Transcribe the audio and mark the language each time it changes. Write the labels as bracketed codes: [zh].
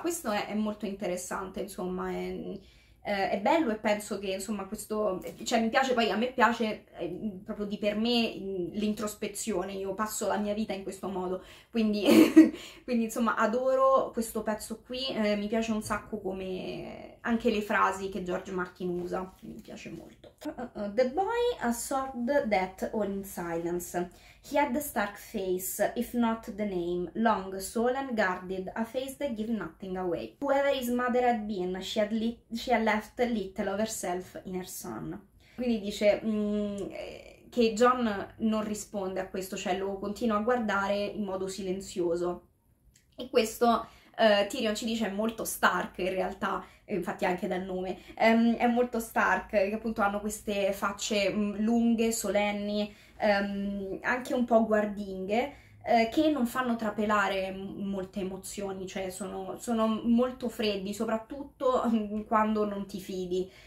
[it] Questo è molto interessante, insomma, è bello, e penso che, insomma, questo, cioè, mi piace, poi a me piace proprio di per me l'introspezione, io passo la mia vita in questo modo, quindi, quindi insomma adoro questo pezzo qui, mi piace un sacco come anche le frasi che George Martin usa, mi piace molto. [en] The boy assured that all in silence. He had the stark face, if not the name, long, solemn, guarded, a face that gave nothing away. Whoever his mother had been, she had left little of herself in her son. [it] Quindi dice che John non risponde a questo, cioè lo continua a guardare in modo silenzioso. E questo, Tyrion ci dice, è molto Stark in realtà, infatti anche dal nome, è molto Stark, che appunto hanno queste facce lunghe, solenni, anche un po' guardinghe, che non fanno trapelare molte emozioni, cioè sono molto freddi, soprattutto quando non ti fidi.